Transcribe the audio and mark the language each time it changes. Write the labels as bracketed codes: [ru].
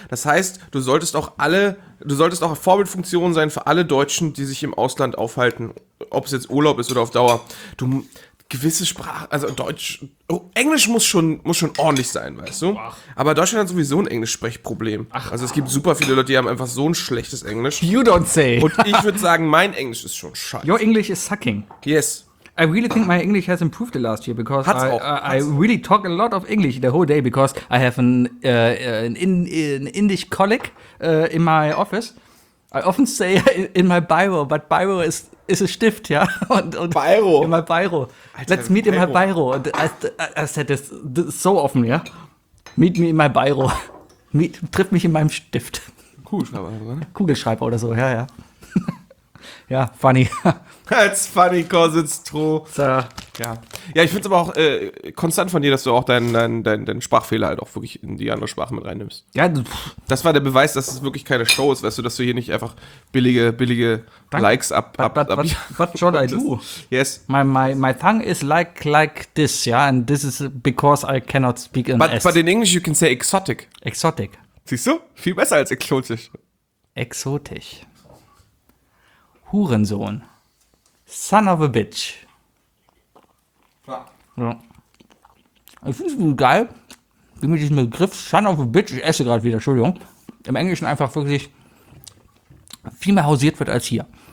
[de] Das heißt, du solltest auch eine Vorbildfunktion sein für alle Deutschen, die sich im Ausland aufhalten, ob es jetzt Urlaub ist oder auf Dauer. Du gewisse Sprache, also Deutsch, Englisch muss schon ordentlich sein, weißt du? Aber Deutschland hat sowieso ein Englischsprechproblem. Ach, also es gibt super viele Leute, die haben einfach so ein schlechtes Englisch. [en] You don't say. [de] Und ich würde sagen, mein Englisch ist schon scheiße. [en] Your English is sucking. Yes. I really think my English has improved the last year because I really talk a lot of English the whole day because I have an Indian colleague in my office. I often say in my bio, but bio [de] ist ein Stift, ja. Und Bayro. Immer Bayro. [en] Alter, let's meet in my Bayro. Und I said this so [de] offen, ja. [en] Meet me in my Bayro. [de] Triff mich in meinem Stift. Kugelschreiber oder so, ja. Ja, [en] funny. That's funny, cause it's true. So. Ja. [de] Ja, ich find's aber auch konstant von dir, dass du auch deinen Sprachfehler halt auch wirklich in die andere Sprache mit reinnimmst. Ja, das war der Beweis, dass es wirklich keine Show ist, weißt du, dass du hier nicht einfach billige Dank. Likes ab. [en] What should I do? Yes. My tongue is like this, yeah, and this is because I cannot speak in English. But in English you can say exotic. Exotic. [de] Siehst du? Viel besser als exotisch. Exotisch. Hurensohn. [en] Son of a bitch. [de] Ja. Ich finde es geil, wie mit diesem Begriff [en] Son of a bitch, [de] ich esse gerade wieder, Entschuldigung, im Englischen einfach wirklich viel mehr hausiert wird als hier.